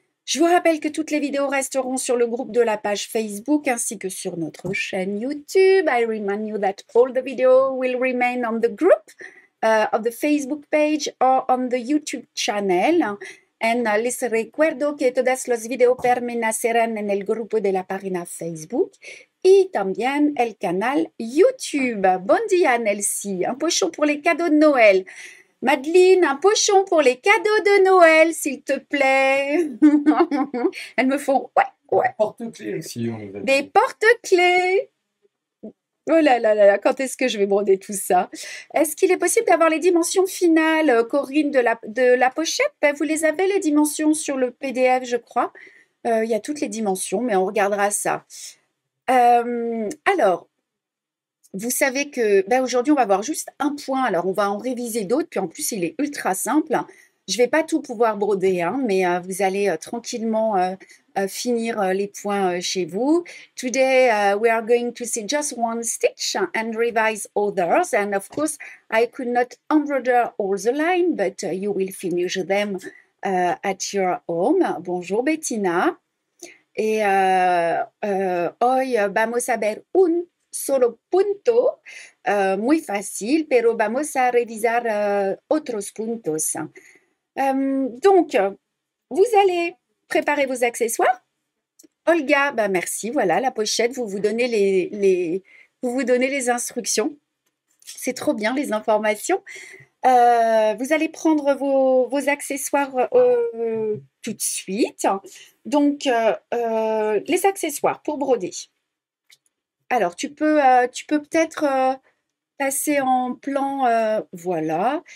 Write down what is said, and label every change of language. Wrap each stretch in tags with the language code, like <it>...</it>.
<fr>Je vous rappelle que toutes les vidéos resteront sur le groupe de la page Facebook ainsi que sur notre chaîne YouTube.</fr> <en>I remind you that all the videos will remain on the group. Of the Facebook page or on the YouTube channel.</en> <es>And les recuerdo que todas las videos permanecerán en el grupo de la página Facebook y también el canal YouTube.</es> <fr>Bon dia, Nelcy. Un pochon pour les cadeaux de Noël. Madeline, un pochon pour les cadeaux de Noël, s'il te plaît. Elles me font ouais. Porte-clés aussi, on va Des dire. porte-clés. Oh là là là là, quand est-ce que je vais broder tout ça? Est-ce qu'il est possible d'avoir les dimensions finales, Corinne, de la pochette? Ben, vous les avez, les dimensions, sur le PDF, je crois. Il y a toutes les dimensions, mais on regardera ça. Alors, vous savez que ben, aujourd'hui, on va voir juste un point. Alors, on va en réviser d'autres, puis en plus, il est ultra simple. Je ne vais pas tout pouvoir broder, hein, mais vous allez tranquillement finir les points chez vous.</fr> <en>Today, we are going to see just one stitch and revise others. And of course, I could not embroider all the lines, but you will finish them at your home.</en> <fr>Bonjour, Bettina.</fr> <es>Et hoy vamos a ver un solo punto. Muy facile, pero vamos a revisar otros puntos.</es> <fr>Donc, vous allez préparez vos accessoires. Olga, bah merci, voilà la pochette, vous vous donnez les instructions. C'est trop bien les informations. Vous allez prendre vos accessoires tout de suite. Donc, les accessoires pour broder. Alors, tu peux peut-être passer en plan, voilà.</fr>